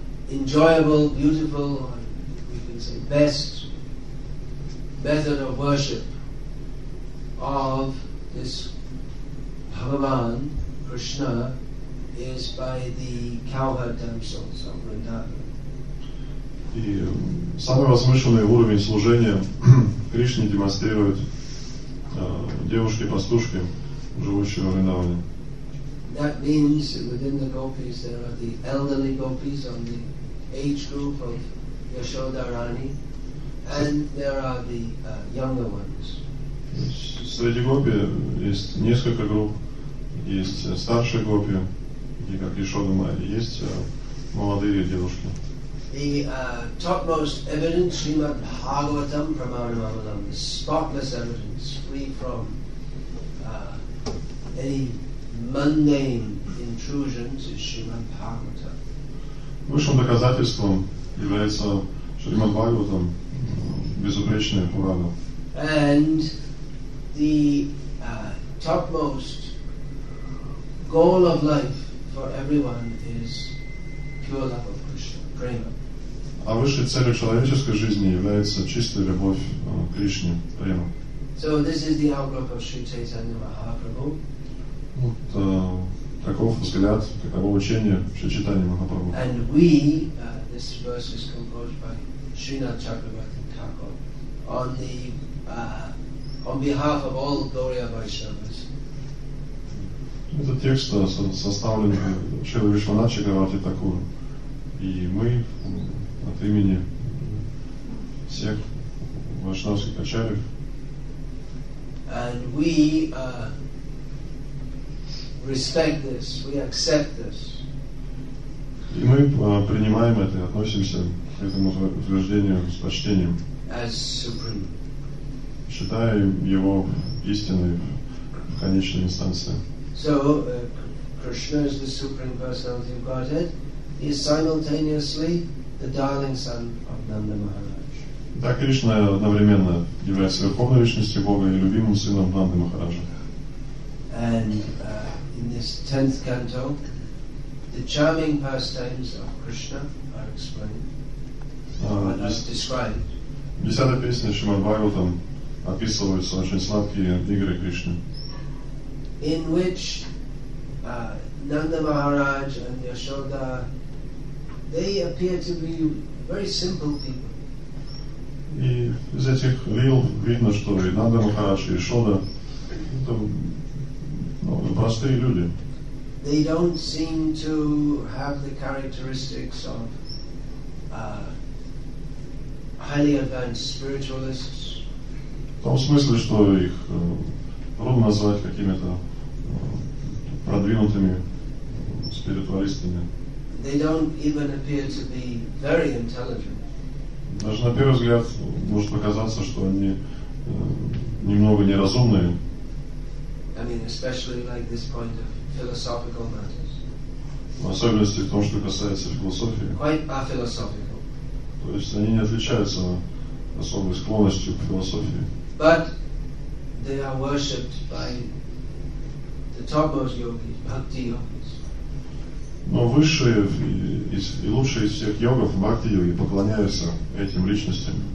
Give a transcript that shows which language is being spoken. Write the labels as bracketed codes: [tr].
[en] Enjoyable, beautiful, we can say best method of worship of this Bhagavan Krishna is by the cowherd damsels of Vrindavan. [ru] И самый возвышенный уровень служения Кришне демонстрирует девушке-пастушке, живущей в Вриндаване. [en] That means within the gopis there are the elderly gopis on the age group of Yashodharani, and there are the younger ones. [ru] Среди гопи есть несколько групп, есть старшие гопи, такие как Яшодамари, есть молодые девушки. [en] The topmost evidence, Srimad Bhagavatam Pramanamalam, the spotless evidence, free from any mundane intrusions, is Srimad Bhagavatam. [ru] Высшим доказательством является Srimad Bhagavatam, безупречная Пурана. [en] And the topmost goal of life for everyone is pure love of Krishna, prema. [ru] А высшей целью человеческой жизни является чистая любовь к Кришне, према. [en] So this is the outlook of Sri Chaitanya Mahaprabhu. [ru] Вот таков взгляд, таково учение Шри Чайтанья Махапрабху. [en] And we, this verse is composed by Srinath Chakravarti Thakur on behalf of all Gaurya Vaishnavas. [ru] Этот текст составлен Шри Вишванат Чакраварти Такур. И мы от имени всех вайшнавских ачарьев. [en] And we respect this, we accept this. [ru] И мы принимаем это, относимся к этому утверждению с почтением. [en] As supreme. [ru] Считаем его истиной в конечной инстанции. [en] So, Krishna is the supreme personality of Godhead. He is simultaneously the darling son of Nanda Maharaj. [ru] Так Кришна одновременно является верховной личностью Бога и любимым сыном Нанды Махараджа. [en] And in this 10th canto, the charming pastimes of Krishna are explained. Described. [ru] В 10-й песне Шримад Бхагаватам описываются очень сладкие игры Кришны. [en] In which Nanda Maharaj and Yashoda, they appear to be very simple people. [ru] И из этих лил видно, что и Нанда Махарадж, и Яшода, это простые люди. [en] They don't seem to have the characteristics of highly advanced spiritualists. [ru] В том смысле, что их трудно назвать какими-то продвинутыми спиритуалистами. [en] They don't even appear to be very intelligent. [ru] Даже на первый взгляд может показаться, что они немного неразумные. [en] I mean, especially like this point of philosophical matters. [ru] в особенности в том, что касается философии. [en] Quite philosophical. [ru] То есть они не отличаются особой склонностью к философии. [en] But they are worshipped by the topmost yogis, bhakti yogis. [ru] Но высшие и лучшие из всех йогов, бхакти йоги, поклоняются этим личностям.